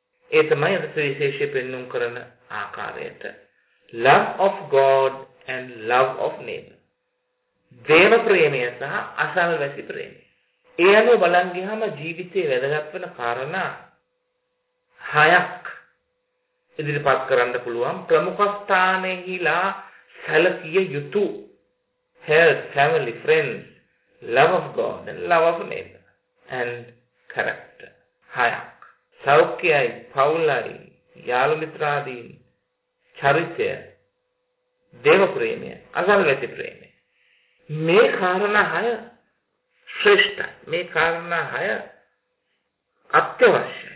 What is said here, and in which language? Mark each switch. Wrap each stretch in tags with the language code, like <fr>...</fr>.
<si>ඒ තමයි අද සුවිශේෂය පෙන්නුම් කරන ආකාරයට</si> <en>love of God and love of neighbor.</en> <si>දේව ප්‍රේමය සහ අසල්වැසි ප්‍රේමය. ඒ අනුව බලන් ගියාම ජීවිතේ වැදගත් වෙන කාරණා හයක් ඉදිරිපත් කරන්න පුළුවන් ප්‍රමුඛස්ථානයේහිලා සැලකිය යුතු</si> <en>health, family, friends, love of God and love of neighbor and character.</en> <si>හයක්. සෞඛ්‍යයි, පවුලයි, යාළු මිත්‍රාදීන්, චරිතය, දේව ප්‍රේමය, අසල්වැසි ප්‍රේමය. මේ කාරණා හය ශ්‍රේෂ්ඨ. මේ කාරණා හය අත්‍යවශ්‍ය.</si>